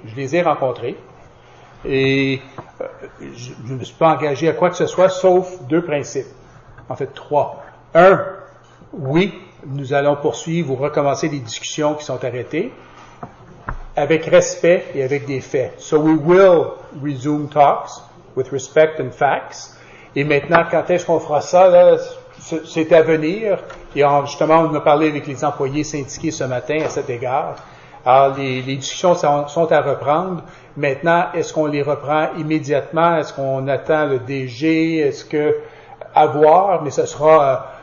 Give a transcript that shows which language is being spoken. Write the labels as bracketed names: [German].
[French] Je les ai rencontrés et je ne me suis pas engagé à quoi que ce soit sauf deux principes, en fait trois. Un, oui, nous allons poursuivre ou recommencer les discussions qui sont arrêtées avec respect et avec des faits. [English] So we will resume talks with respect and facts. [French] Et maintenant, quand est-ce qu'on fera ça? Là, c'est à venir. Et justement, on a parlé avec les employés syndiqués ce matin à cet égard. Alors, les discussions sont à reprendre. Maintenant, est-ce qu'on les reprend immédiatement? Est-ce qu'on attend le DG? Est-ce que... à voir, mais ce sera...